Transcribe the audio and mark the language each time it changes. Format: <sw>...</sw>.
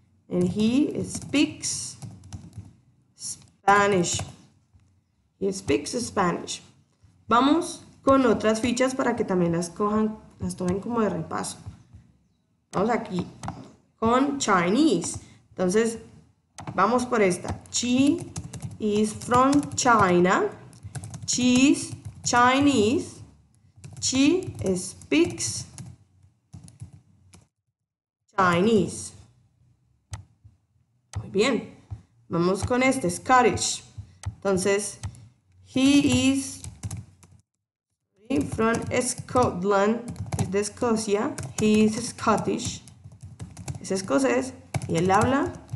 <en>And he speaks Spanish. He speaks Spanish.</en> <es>Vamos con otras fichas para que también las cojan, las tomen como de repaso. Vamos aquí con Chinese. Entonces, vamos por esta.</es> <en>She is from China. She is Chinese, she speaks Chinese.</en> <es>Muy bien, vamos con este, Scottish. Entonces,</es> <en>he is from Scotland,</en> <es>es de Escocia,</es> <en>he is Scottish,</en> <es>es escocés y él habla</es>